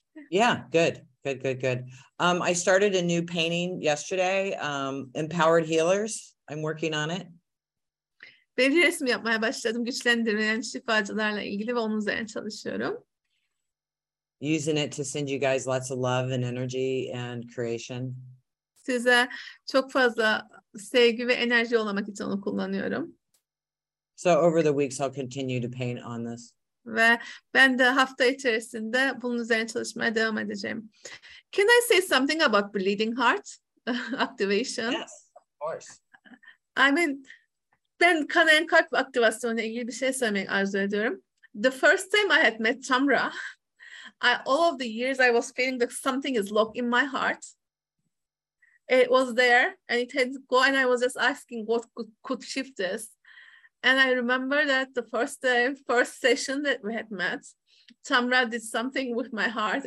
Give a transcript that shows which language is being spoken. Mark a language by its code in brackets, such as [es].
[en] Yeah, good. I started a new painting yesterday, Empowered Healers. I'm working on it. [tr] Ben bir resim yapmaya başladım. Güçlendirilen şifacılarla ilgili ve onun üzerine çalışıyorum. [en] Using it to send you guys lots of love and energy and creation. [tr] Size çok fazla sevgi ve enerji yollamak için onu kullanıyorum. [en] So over the weeks I'll continue to paint on this. [tr] Ve ben de hafta içerisinde bunun üzerine çalışmaya devam edeceğim. [en] Can I say something about bleeding heart activation? Yes, of course. I mean, [tr] ben kanayan kalp aktivasyonuyla ilgili bir şey söylemek arzu ediyorum. [en] The first time I had met Tamra, all of the years I was feeling that something is locked in my heart. It was there and it had go, and I was just asking what could shift this. And I remember that the first day, first session that we had met, Tamra did something with my heart.